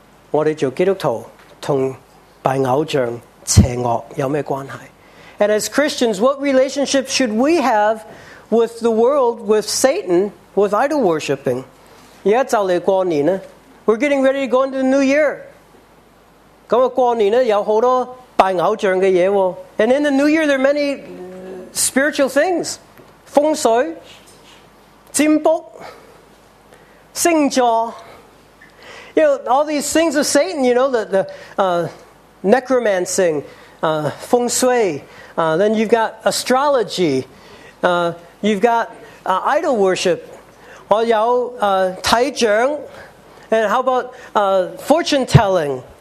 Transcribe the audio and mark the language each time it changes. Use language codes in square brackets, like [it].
[zh] 我们做基督徒跟拜偶像邪恶有什么关系? [en] And as Christians, what relationship should we have with the world, with Satan, with idol worshiping? [zh] 现在就来过年了。 [en] We're getting ready to go into the new year. [zh] 那么过年了有好多拜偶像的东西。 [en] And in the new year, there are many spiritual things. [zh] 风水、占卜、星座 [en] You know, all these things of Satan, you know, the necromancing, 风水, then you've got astrology, you've got idol worship, [zh] 我有睇象 [en] and how about fortune telling?